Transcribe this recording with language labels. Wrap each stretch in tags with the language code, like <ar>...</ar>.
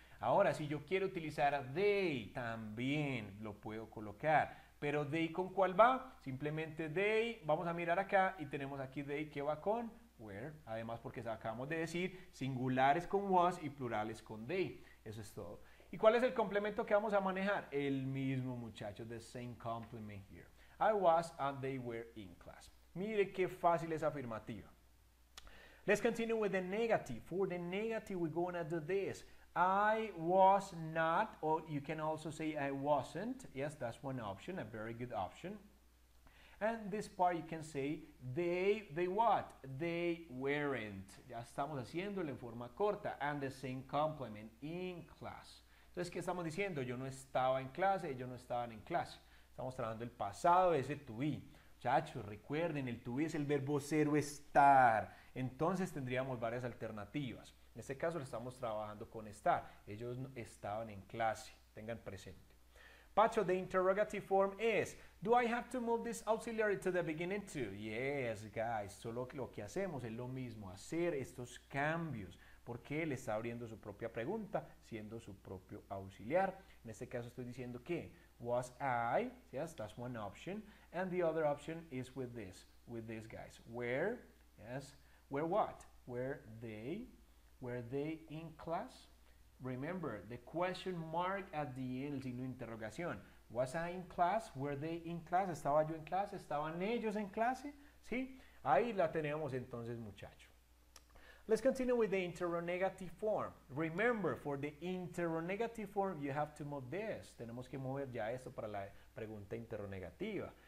<es>Ahora, si yo quiero utilizar they, también lo puedo colocar. Pero they, ¿con cuál va? Simplemente they, vamos a mirar acá y tenemos aquí they que va con where. Además, porque acabamos de decir singulares con was y plurales con they. Eso es todo. ¿Y cuál es el complemento que vamos a manejar? El mismo, muchachos,</es> <en>the same complement here. I was and they were in class.</en> <es>Mire qué fácil es afirmativa.</es> <en>Let's continue with the negative. For the negative, we're going to do this. I was not, or you can also say I wasn't. Yes, that's one option, a very good option. And this part you can say they what? They weren't.</en> <es>Ya estamos haciéndolo en forma corta.</es> <en>And the same complement in class.</en> <es>Entonces, ¿qué estamos diciendo? Yo no estaba en clase, ellos no estaban en clase. Estamos trabajando el pasado de ese to be. Muchachos, recuerden, el to be es el verbo ser o estar. Entonces, tendríamos varias alternativas. En este caso, lo estamos trabajando con estar. Ellos no estaban en clase. Tengan presente.</es> <en>Pacho, the interrogative form is, do I have to move this auxiliary to the beginning to? Yes, guys.</en> <es>Solo lo que hacemos es lo mismo, hacer estos cambios. Porque él está abriendo su propia pregunta, siendo su propio auxiliar. En este caso estoy diciendo que</es> <en>was I, yes, that's one option, and the other option is with this guys. Where, yes, where what? Were they in class? Remember, the question mark at the end,</en> <es>el signo de interrogación.</es> <en>Was I in class? Were they in class?</en> <es>¿Estaba yo en clase?</es> <en>¿Estaban ellos en clase?</en> <es>Sí, ahí la tenemos entonces, muchachos.</es> <en>Let's continue with the interrogative form. Remember, for the interrogative form, you have to move this.</en> <es>Tenemos que mover ya esto para la pregunta interrogativa.</es>